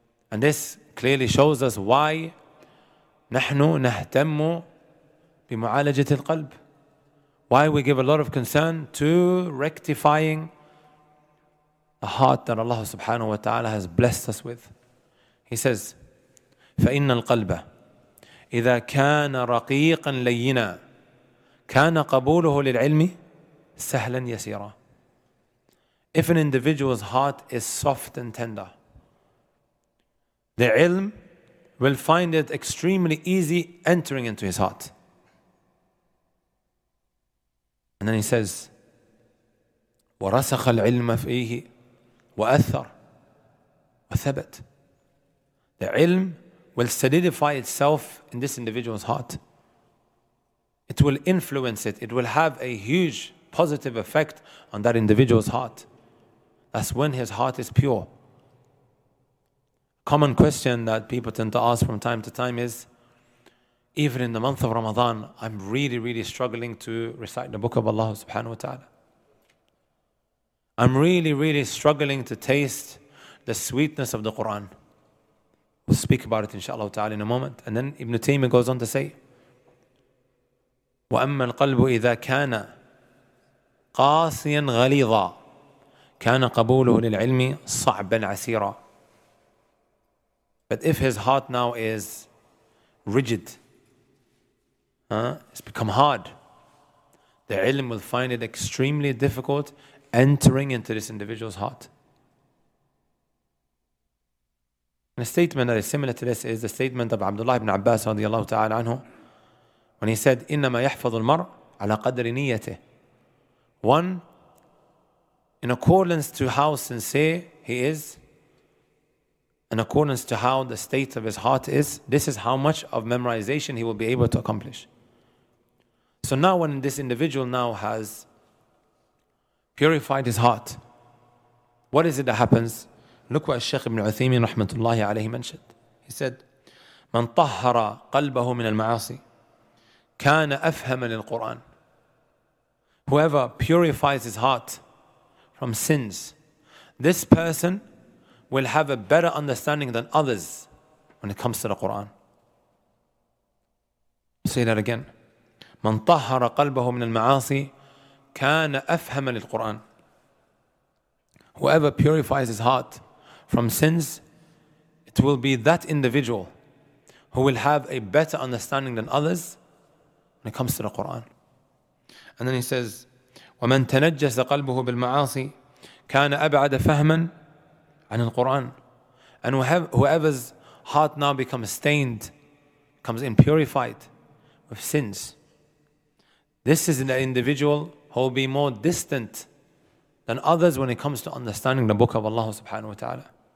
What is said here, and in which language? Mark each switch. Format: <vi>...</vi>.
<en>And this clearly shows us why</en> <ar>نَحْنُ نَهْتَمُّ بِمُعَالَجَةِ الْقَلْبِ.</ar> <en>Why we give a lot of concern to rectifying the heart that Allah subhanahu wa ta'ala has blessed us with. He says,</en> <ar>فَإِنَّ الْقَلْبَ إِذَا كَانَ رَقِيقًا لَيِّنًا كَانَ قَبُولُهُ لِلْعِلْمِ سَهْلًا يَسِيرًا.</ar> <en>If an individual's heart is soft and tender, the ilm will find it extremely easy entering into his heart. And then he says,</en> <ar>وَرَسَخَ الْعِلْمَ فِيهِ وَأَثَّرَ وَثَبَتْ.</ar> <en>The ilm will solidify itself in this individual's heart. It will influence it. It will have a huge positive effect on that individual's heart. That's when his heart is pure. Common question that people tend to ask from time to time is, even in the month of Ramadan, I'm really, really struggling to recite the book of Allah subhanahu wa ta'ala. I'm really, really struggling to taste the sweetness of the Quran. We'll speak about it inshaAllah ta'ala in a moment. And then Ibn Taymiyyah goes on to say,</en> <ar>وَأَمَّا الْقَلْبُ إِذَا كَانَ قَاسِيًا غَلِيظًا كَانَ قَبُولُهُ لِلْعِلْمِ صَعْبًا عَسِيرًا.</ar> <en>But if his heart now is rigid, it's become hard, the ilm will find it extremely difficult entering into this individual's heart. And a statement that is similar to this is the statement of Abdullah ibn Abbas radiallahu ta'ala anhu, when he said,</en> <ar>إِنَّمَا يَحْفَظُ الْمَرْءُ عَلَى قَدْرِ نِيَّتِهِ.</ar> <en>One, in accordance to how sincere he is, in accordance to how the state of his heart is, this is how much of memorization he will be able to accomplish. So now when this individual now has purified his heart, what is it that happens? Look what Shaykh Ibn Uthaymeen rahmatullahi alayhi mentioned. He said,</en> <ar>مَنْ طَهَّرَ قَلْبَهُ مِنَ الْمَعَاصِي كَانَ أَفْهَمَ لِلْقُرْآنِ.</ar> <en>Whoever purifies his heart from sins, this person will have a better understanding than others when it comes to the Quran. Say that again.</en> <ar>مَنْ طَهَّرَ قَلْبَهُ مِنَ الْمَعَاصِي كَانَ أَفْهَمَ لِلْقُرْآنِ.</ar> <en>Whoever purifies his heart from sins, it will be that individual who will have a better understanding than others when it comes to the Quran. And then he says,</en> <ar>وَمَنْ تَنَجَّسَ قَلْبُهُ بِالْمَعَاصِي كَانَ أَبْعَدَ فَهْمًا عَنِ الْقُرْآنِ.</ar> <en>And whoever's heart now becomes stained, comes impurified with sins, this is an individual who will be more distant than others when it comes to understanding the book of Allah subhanahu wa ta'ala.</en>